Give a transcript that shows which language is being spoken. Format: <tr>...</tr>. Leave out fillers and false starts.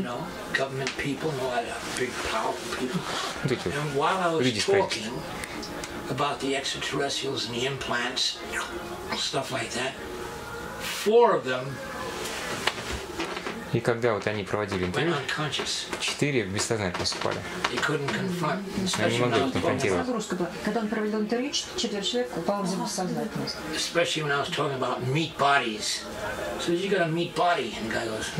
<en>You know, government people, a lot of big powerful people.</en> <ru>Вот</ru> <en>and while I was talking about the extraterrestrials and the implants, stuff like that, four of them.</en> <ru>И когда вот они проводили интервью, четыре бессознательно спали. Они не могли конфронтировать. Нагрузка была. Когда он проводил интервью, четверо человек упало в бессознательность.</ru> <en>Especially when I was talking about meat bodies. So you got a meat body, and guy goes.</en>